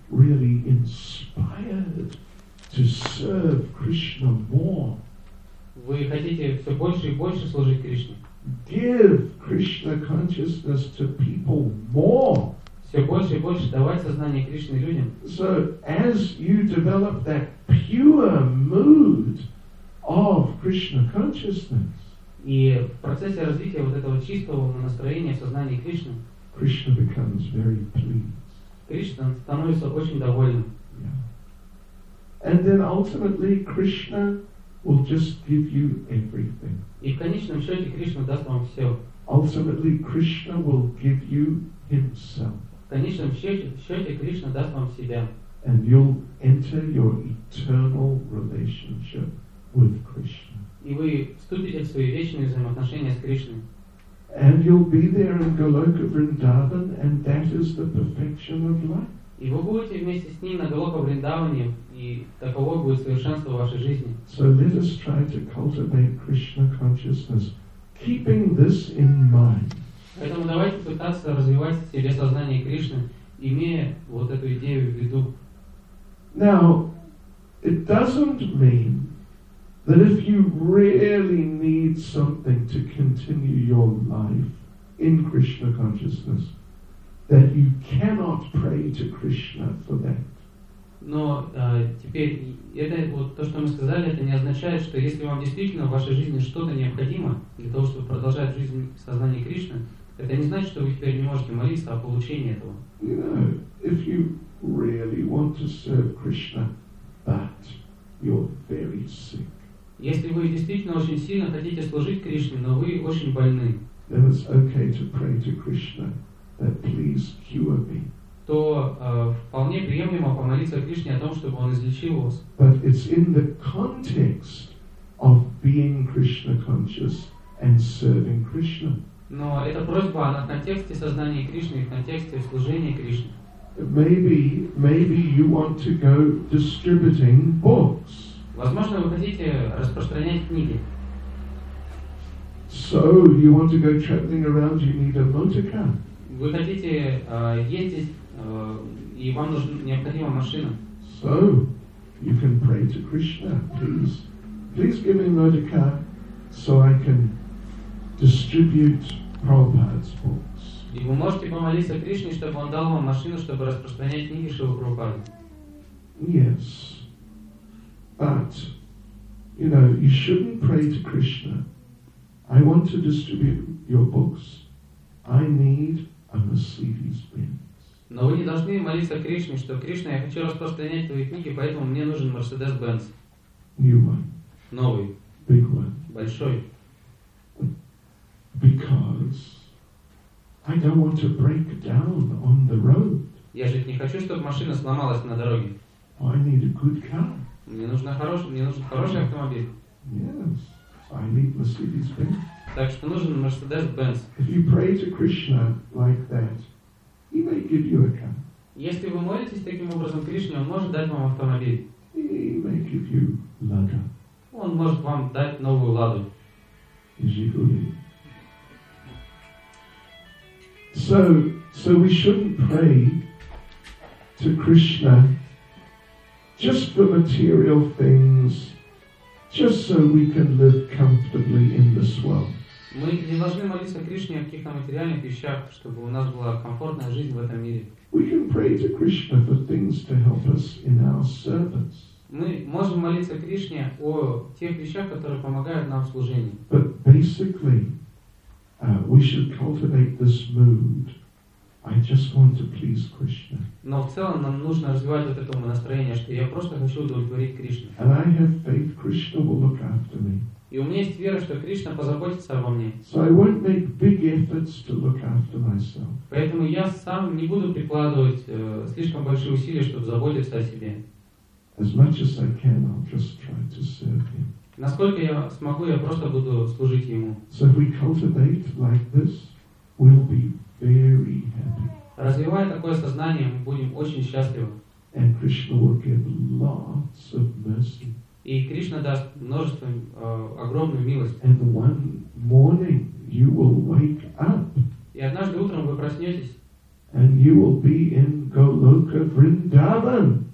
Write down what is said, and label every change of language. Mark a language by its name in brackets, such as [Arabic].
[English] Really inspired to serve Krishna more. [Russian] Вы хотите все больше и больше служить Кришне. [English] Give Krishna consciousness to people more. [Russian] Все больше и больше давать сознание Кришны людям. [English] So as you develop that pure mood of Krishna consciousness. [Russian] И в процессе развития вот этого чистого настроения в сознании Кришны. [English] Krishna becomes very pleased. [Russian] Кришна становится очень довольным. [English] And then ultimately Krishna will just give you everything. [Russian] И в конечном счете Кришна даст вам все. [English] Ultimately Krishna will give you himself. [Russian] В конечном счете Кришна даст вам себя. [English] And you'll enter your eternal relationship with Krishna. [Russian] И вы вступите в свои вечные взаимоотношения с Кришной. [English] And you'll be there in Goloka Vrindavan, and that is the perfection of life. [Russian] И вы будете вместе с ним на Голока Вриндаване, и таково будет совершенство вашей жизни. [English] So let us try to cultivate Krishna consciousness, keeping this in mind. [Russian] Поэтому давайте пытаться развивать в себе сознание Кришны, имея вот эту идею в виду. [English] Now, it doesn't mean that if you really need something to continue your life in Krishna consciousness, that you cannot pray to Krishna for that. [Russian] Но теперь это вот то, что мы сказали, это не означает, что если вам действительно в вашей жизни что-то необходимо для того, чтобы продолжать жизнь в сознании Кришны, это не значит, что вы теперь не можете молиться о получении этого. [English] You know, if you really want to serve Krishna, but you're very sick. [Russian] Если вы действительно очень сильно хотите служить Кришне, но вы очень больны, [English] then it's okay to pray to Krishna that please cure me. [Russian] То вполне приемлемо помолиться Кришне о том, чтобы он излечил вас. [English] But it's in the context of being Krishna conscious and serving Krishna. [Russian] Но эта просьба, она в контексте сознания Кришны, в контексте служения Кришне. [English] maybe you want to go distributing books. [Russian] Возможно, вы хотите распространять книги. [English] So you want to go traveling around, you need a motor car. [Russian] Вы хотите ездить, и вам необходима машина. [English] So you can pray to Krishna, please. Please give me a motor car so I can distribute Prabhupada's books. [Russian] И вы можете помолиться Кришне, чтобы он дал вам машину, чтобы распространять книги Шрилы Прабхупады. [English] Yes. But, you know, you shouldn't pray to Krishna. I want to distribute your books. I need a Mercedes-Benz. [Russian] Но вы не должны молиться Кришне, что Кришна, я хочу распространять твои книги, поэтому мне нужен Mercedes-Benz. [English] New one. [Russian] Новый. [English] Big one. [Russian] Большой. [English] Because I don't want to break down on the road. [Russian] Я же не хочу, чтобы машина сломалась на дороге. [English] I need a good car. [Russian] Мне нужен хороший автомобиль. [English] Yes. I need Mercedes-Benz. [Russian] Так что нужен Mercedes-Benz. [English] If you pray to Krishna like that, he may give you a car. [Russian] Если вы молитесь таким образом Кришне, он может дать вам автомобиль. [English] He may give you Lada. [Russian] Он может вам дать новую Ладу. Жигули. [English] So we shouldn't pray to Krishna just for material things. Just so we can live comfortably in this world. [Russian] Мы не должны молиться Кришне о каких-то материальных вещах, чтобы у нас была комфортная жизнь в этом мире. [English] We can pray to Krishna for things to help us in our service. [Russian] Мы можем молиться Кришне о тех вещах, которые помогают нам в служении. [English] But basically, we should cultivate this mood. I just want to please Krishna. [Russian] Но в целом нам нужно развивать вот это настроение, что я просто хочу удовлетворить Кришну. [English] And I have faith Krishna will look after me. [Russian] И у меня есть вера, что Кришна позаботится обо мне. [English] So I won't make big efforts to look after myself. [Russian] Поэтому я сам не буду прикладывать слишком большие усилия, чтобы заботиться о себе. [English] As much as I can, I'll just try to serve him. [Russian] Насколько я смогу, я просто буду служить ему. [English] So if we cultivate like this, we'll be very happy. [Russian] Развивая такое сознание, мы будем очень счастливы. [English] And Krishna will give lots of mercy. [Russian] И Кришна даст множество огромную милость. [English] And one morning you will wake up. [Russian] И однажды утром вы проснетесь. [English] And you will be in Goloka Vrindavan.